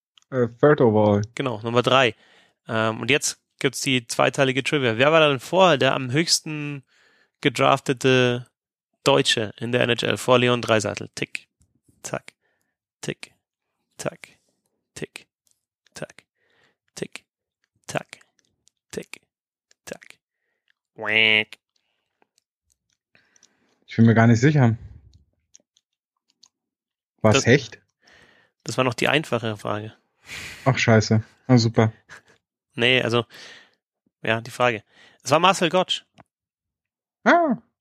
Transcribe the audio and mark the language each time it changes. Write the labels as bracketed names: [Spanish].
[English] Third overall. [German] Genau, Nummer 3. Und jetzt gibt es die zweiteilige Trivia. Wer war denn vorher der am höchsten gedraftete Deutsche in der NHL? Vor Leon Dreisaitl. Tick, zack, tick, tack, tick, tack, tick, tack, tick, tack. Wäck. Ich bin mir gar nicht sicher. War es Hecht? Das war noch die einfachere Frage. Ach, scheiße. Na, super. Nee, also, ja, die Frage. Es war Marcel Gottsch. Ah.